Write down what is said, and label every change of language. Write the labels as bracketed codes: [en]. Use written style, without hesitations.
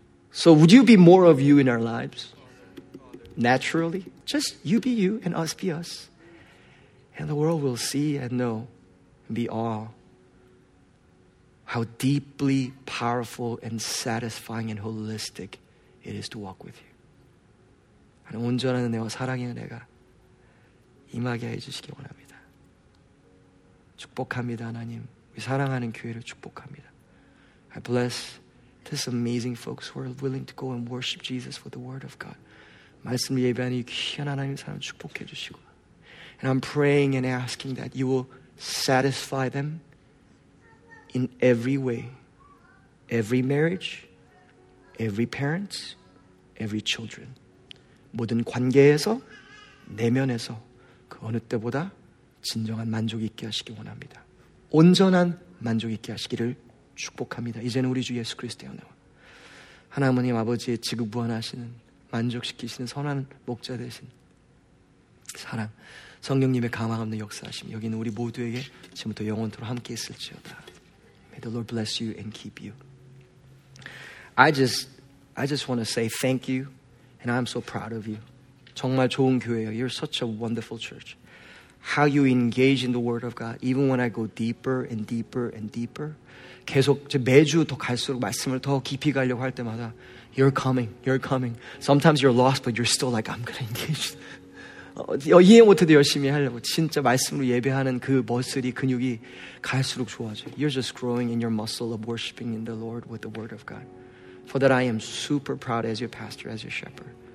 [en] So would you be more of you in our lives? Naturally? Just you be you and us be us. And the world will see and know and be awe. How deeply powerful and satisfying and holistic it is to walk with you. [ko] 하나님 온전한 은혜와 사랑의 은혜가 임하게 해주시기 원합니다. 축복합니다, 하나님. 우리 사랑하는 교회를 축복합니다. [en] I bless these amazing folks who are willing to go and worship Jesus with the word of God. [ko] 말씀 예배하는 이 귀한 하나님 사람 축복해 주시고. [en] And I'm praying and asking that you will satisfy them in every way, every marriage, every parent, every children. [ko] 모든 관계에서, 내면에서 그 어느 때보다 진정한 만족 있게 하시기 원합니다. 온전한 만족 있게 하시기를 축복합니다. 이제는 우리 주 예수 그리스도의 은혜와 하나님 아버지의 지극부원하시는 만족시키시는 선한 목자 되신 사랑, 성령님의 감화 없는 역사하심, 여기는 우리 모두에게 지금부터 영원토록 함께 있을지어다. [en] May the Lord bless you and keep you. I just want to say thank you, and I'm so proud of you. [ko] 정말 좋은 교회예요. [en] You're such a wonderful church. How you engage in the word of God, even when I go deeper and deeper and deeper, [ko] 계속 매주 더 갈수록 말씀을 더 깊이 가려고 할 때마다 [en] You're coming, you're coming. Sometimes you're lost, but you're still like, I'm gonna engage. [ko] 이해 못해도 열심히 하려고 진짜 말씀으로 예배하는 그 머슬이 근육이 갈수록 좋아져. [en] You're just growing in your muscle of worshiping in the Lord with the word of God. For that I am super proud as your pastor, as your shepherd.